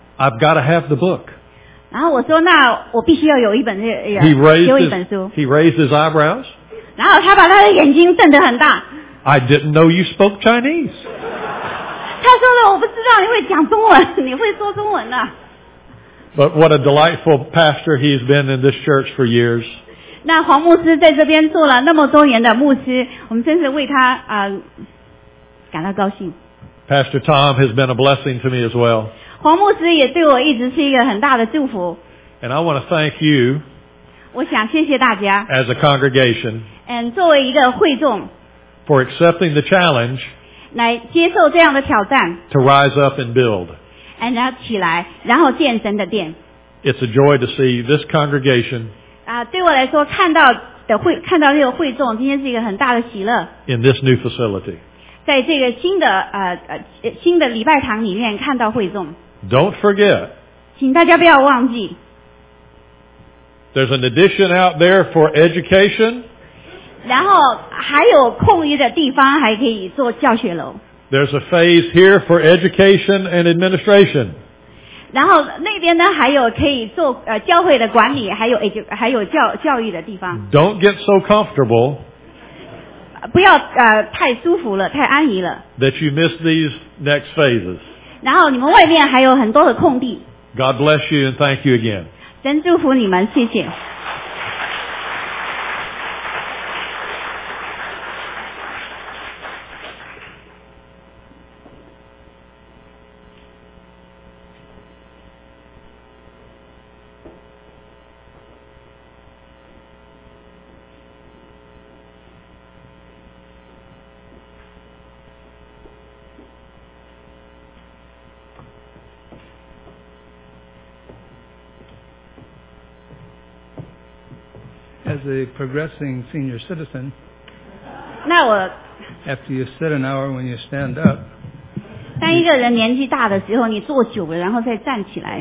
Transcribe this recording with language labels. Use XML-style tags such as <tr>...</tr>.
<en>I've got to have the book.</en> <zh>然后我说，那我必须要有一本这，有一本书。</zh> <en>He raised his eyebrows.</en> <zh>然后他把他的眼睛瞪得很大。</zh> <en>I didn't know you spoke Chinese.</en> <zh>他说的，我不知道你会讲中文，你会说中文的。</zh> <en>But what a delightful pastor he's been in this church for years.</en> <zh>那黄牧师在这边做了那么多年的牧师，我们真是为他感到高兴。</zh> <en>Pastor Tom has been a blessing to me as well.</en> <zh>黄牧师也对我一直是一个很大的祝福。</zh> <en>And I want to thank you.</en> <zh>我想谢谢大家。</zh> <en>As a congregation. And</en> <zh>作为一个会众。</zh> <en>For accepting the challenge.</en> <zh>来接受这样的挑战。</zh> <en>To rise up and build. And</en> <zh>要起来，然后建神的殿。</zh> <en>It's a joy to see this congregation.</en> <zh>对我来说看到这个会众今天是一个很大的喜乐</zh> <en>in this new facility</en> <zh>在这个新的礼拜堂里面看到会众</zh> <en>don't forget</en> <zh>请大家不要忘记</zh> <en>there's an addition out there for education</en> <zh>然后还有空余的地方还可以做教学楼</zh> <en>there's a phase here for education and administration</en> <zh>然后那边呢还有可以做教会的管理还有教育的地方。</zh> <en>Don't get so comfortable.</en> <zh>不要太舒服了太安逸了。</zh> <en>That you miss these next phases.</en> <zh>然后你们外面还有很多的空地。</zh> <en>God bless you and thank you again.</en> <zh>神祝福你们谢谢。</zh> <en>As a progressing senior citizen, now, after you sit an hour when you stand up,</en> <zh>当一个人年纪大的时候，你坐久了，然后再站起来，</zh>